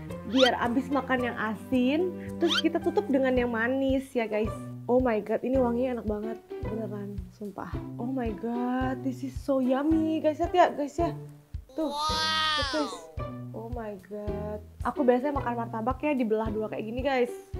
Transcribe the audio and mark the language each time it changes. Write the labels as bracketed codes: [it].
[id] Biar abis makan yang asin, terus kita tutup dengan yang manis ya guys. [en] Oh my god, [id] ini wanginya enak banget. Beneran, sumpah. [en] Oh my god, this is so yummy. [id] Guys, lihat ya guys ya. Tuh, guys. [en] Oh my god. [id] Aku biasanya makan martabak ya dibelah dua kayak gini guys.